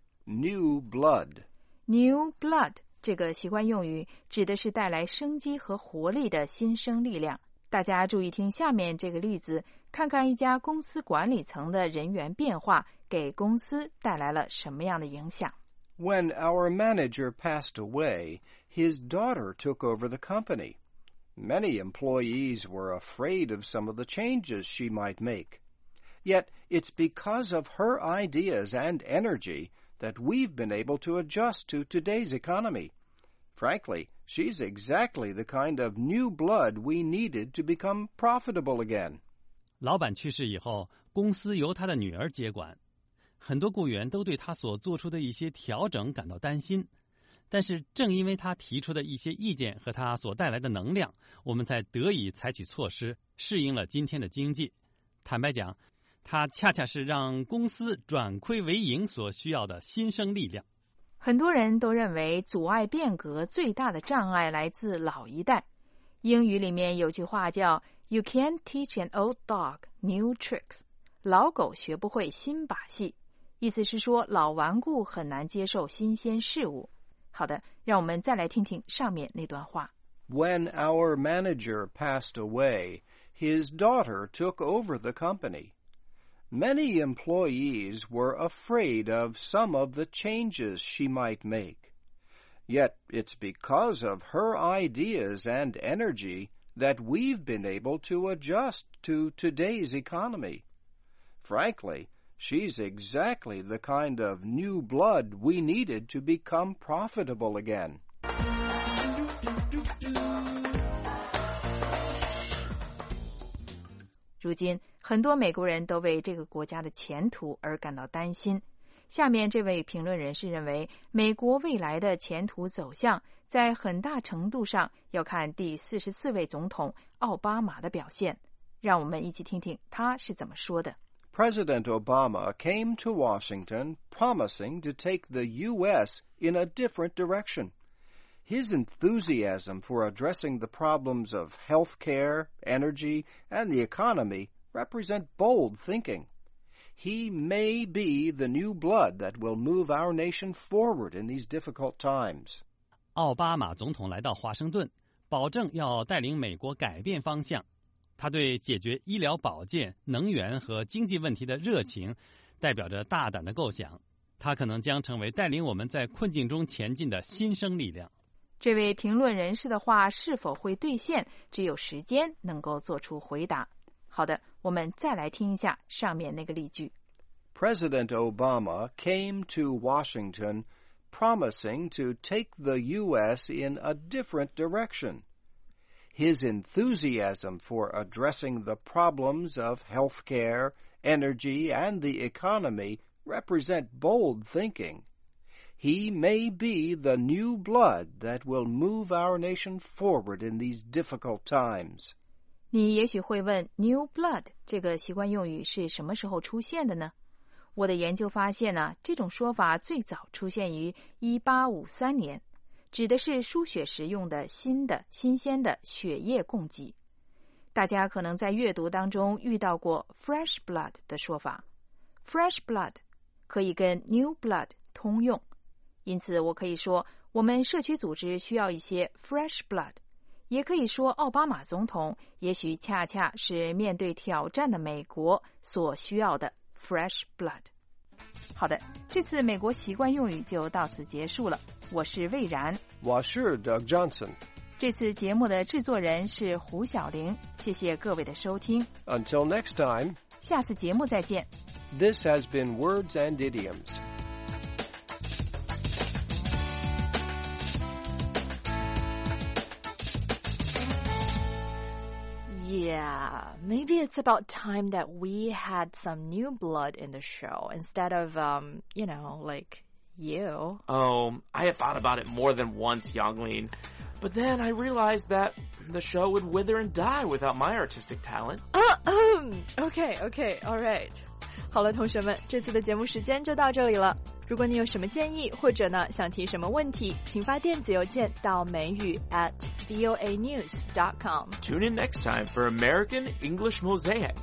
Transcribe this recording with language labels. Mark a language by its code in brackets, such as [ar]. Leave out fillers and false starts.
[en] New blood. [zh] New blood 这个习惯用语指的是带来生机和活力的新生力量。大家注意听下面这个例子，看看一家公司管理层的人员变化给公司带来了什么样的影响。 [en] When our manager passed away, his daughter took over the company. Many employees were afraid of some of the changes she might make. Yet it's because of her ideas and energy that we've been able to adjust to today's economy. Frankly, she's exactly the kind of new blood we needed to become profitable again. [zh] 老板去世以后，公司由他的女儿接管。很多雇员都对他所做出的一些调整感到担心，但是正因为他提出的一些意见和他所带来的能量，我们才得以采取措施，适应了今天的经济。坦白讲，他恰恰是让公司转亏为盈所需要的新生力量。很多人都认为阻碍变革最大的障碍来自老一代。英语里面有句话叫 You can't teach an old dog new tricks，老狗学不会新把戏，意思是说老顽固很难接受新鲜事物。好的，让我们再来听听上面那段话。 [en] When our manager passed away, his daughter took over the company. Many employees were afraid of some of the changes she might make. Yet it's because of her ideas and energy that we've been able to adjust to today's economy. Frankly,She's exactly the kind of new blood we needed to become profitable again. [zh] 如今，很多美国人都为这个国家的前途而感到担心。下面这位评论人士认为，美国未来的前途走向在很大程度上要看第44位总统奥巴马的表现。让我们一起听听他是怎么说的。 [en] President Obama came to Washington promising to take the U.S. in a different direction. His enthusiasm for addressing the problems of health care, energy, and the economy represent bold thinking. He may be the new blood that will move our nation forward in these difficult times. [zh] 奥巴马总统来到华盛顿，保证要带领美国改变方向。他对解决医疗保健、能源和经济问题的热情，代表着大胆的构想。他可能将成为带领我们在困境中前进的新生力量。这位评论人士的话是否会兑现，只有时间能够做出回答。好的，我们再来听一下上面那个例句。 [en] President Obama came to Washington promising to take the U.S. in a different direction. His enthusiasm for addressing the problems of health care, energy, and the economy represent bold thinking. He may be the new blood that will move our nation forward in these difficult times. [zh] 你也许会问 new blood 这个习惯用语是什么时候出现的呢？我的研究发现呢，这种说法最早出现于1853年。指的是输血时用的新的、新鲜的血液供给。大家可能在阅读当中遇到过 fresh blood 的说法。 fresh blood 可以跟 new blood 通用。因此我可以说我们社区组织需要一些 fresh blood。也可以说奥巴马总统也许恰恰是面对挑战的美国所需要的 fresh blood。好的，这次美国习惯用语就到此结束了。我是魏然，我是 Doug Johnson。这次节目的制作人是胡晓玲。谢谢各位的收听。 [en] Until next time， [zh] 下次节目再见。 [en] This has been Words and Idioms。 Yeah, maybe it's about time that we had some new blood in the show instead of, you know, like you. Oh, I have thought about it more than once, Yonglin. But then I realized that the show would wither and die without my artistic talent. Okay, all right. [zh] 好了，同学们，这次的节目时间就到这里了。如果你有什么建议或者呢想提什么问题，请发电子邮件到美语@voanews.com. [en] Tune in next time for American English Mosaic.